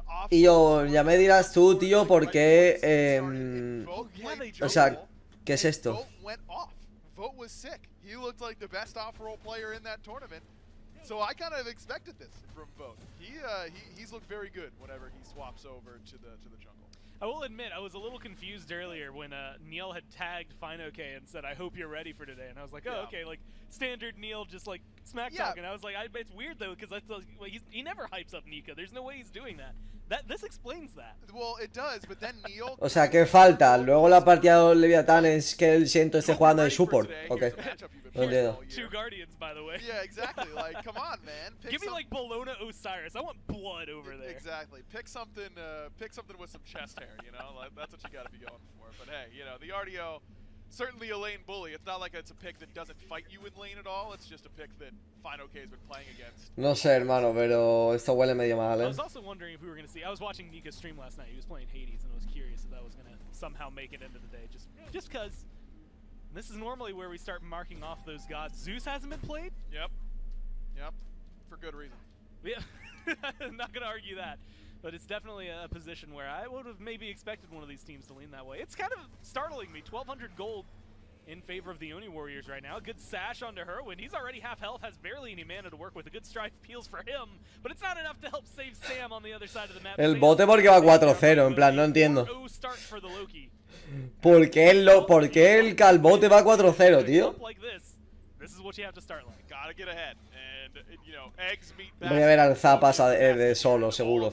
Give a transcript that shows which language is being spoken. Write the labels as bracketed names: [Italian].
[Spanish] Y yo, ya me dirás tú, tío, por qué. O sea, ¿qué es esto? [English] Vote was sick. He looked like the best off-roll player in that tournament. So I kind of expected this from Vote. He's looked very good whenever he swaps over to the jungle. I will admit, I was a little confused earlier when Neil had tagged Fineoke and said, I hope you're ready for today. And I was like, oh, yeah. Okay, like, standard Neil just, like, smack talking. Yeah. And I was like, it's weird, though, because he never hypes up Nika. There's no way he's doing that. This explains that. Well, it does, but then Neil... [Spanish] O sea, ¿qué falta? Luego la partida de Leviathan es que él siento esté jugando de support. Okay. No entiendo. [English] Two Guardians, by the way. Yeah, exactly. Like, come on, man. Pick Give me, like, Bologna Osiris. I want blood over there. Exactly. Pick something with some chest hair, you know? Like, that's what you gotta be going for. But hey, you know, the RDO, certainly a lane bully. It's not like it's a pick that doesn't fight you in lane at all. It's just a pick that FineOK has been playing against. [Spanish] No sé, hermano, pero esto huele medio mal, ¿eh? [English] I was also wondering if we were gonna see... I was watching Nika's stream last night. He was playing Hades, and I was curious if that was gonna somehow make it into the day. Just because... This is normally where we start marking off those gods. Zeus hasn't been played? Yep. For good reason. Yeah. I'm not going to argue that. But it's definitely a position where I would have maybe expected one of these teams to lean that way. It's kind of startling me. 1,200 gold in favor of the Oni Warriors right now. A good sash onto Herwin. He's already half health, has barely any mana to work with. A good strife peels for him. But it's not enough to help save Sam on the other side of the map. [Spanish] El bote porque va 4-0, en plan, no entiendo. [English] No start for the Loki. [Spanish] ¿Por qué el calbote va 4-0, tío? Voy a ver al Zapas de solo, seguro,